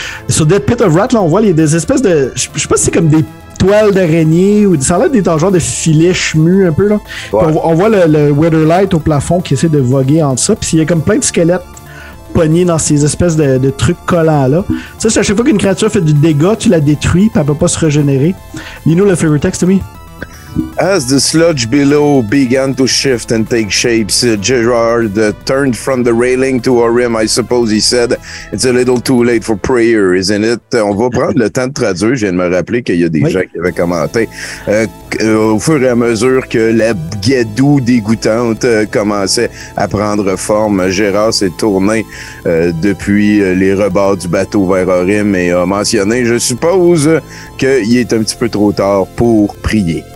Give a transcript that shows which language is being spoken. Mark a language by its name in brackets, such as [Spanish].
[French] Sur Death Pit of Rat, là, on voit des espèces de. Je sais pas si c'est comme des toiles d'araignée ou. Ça a l'air d'être un genre de filet chemu un peu, là. Ouais. On voit le Weatherlight au plafond qui essaie de voguer en ça. Puis il y a comme plein de squelettes pognés dans ces espèces de trucs collants, là. Ça, c'est à chaque fois qu'une créature fait du dégât, tu la détruis, puis elle peut pas se régénérer. Lino, le favorite text, Tommy? [English] As the sludge below began to shift and take shape, Gerard turned from the railing to Orim, I suppose he said, it's a little too late for prayer, isn't it? [French] On va prendre le temps de traduire, je viens de me rappeler qu'il y a des gens qui avaient commenté. Au fur et à mesure que la guédou dégoûtante commençait à prendre forme, Gérard s'est tourné depuis les rebords du bateau vers Orim et a mentionné, je suppose, qu'il est un petit peu trop tard pour prier.